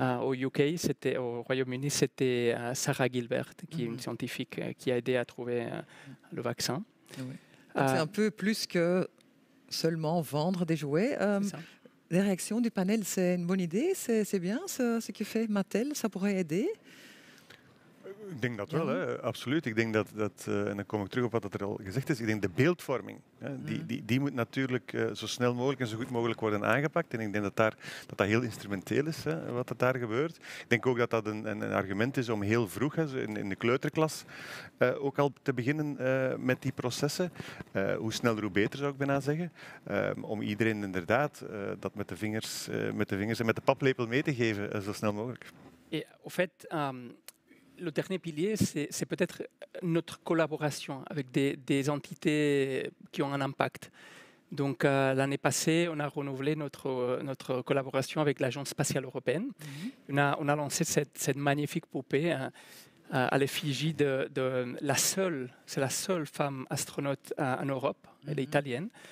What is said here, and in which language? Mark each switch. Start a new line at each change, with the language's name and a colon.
French: Au UK, au Royaume-Uni, c'était Sarah Gilbert, qui est une scientifique qui a aidé à trouver le vaccin. Oui. C'est un peu plus que seulement vendre des jouets. Les réactions du panel, c'est une bonne idée, c'est bien ce que fait Mattel, ça pourrait aider.
Dutch: Ik denk dat wel, hè. Absoluut. Ik denk dat en dan kom ik terug op wat er al gezegd is, ik denk de beeldvorming, hè, die moet natuurlijk zo snel mogelijk en zo goed mogelijk worden aangepakt. En ik denk dat heel instrumenteel is, hè, wat dat daar gebeurt. Ik denk ook dat een argument is om heel vroeg, hè, in de kleuterklas, ook al te beginnen met die processen. Hoe sneller, hoe beter, zou ik bijna zeggen. Om iedereen inderdaad dat met de vingers en met de paplepel mee te geven, zo snel mogelijk.
French: Ja, au fait, le dernier pilier, c'est peut-être notre collaboration avec des entités qui ont un impact. Donc, l'année passée, on a renouvelé notre collaboration avec l'Agence spatiale européenne. Mm-hmm. On a lancé cette magnifique poupée à l'effigie de la seule, c'est la seule femme astronaute en Europe, mm-hmm. elle est italienne.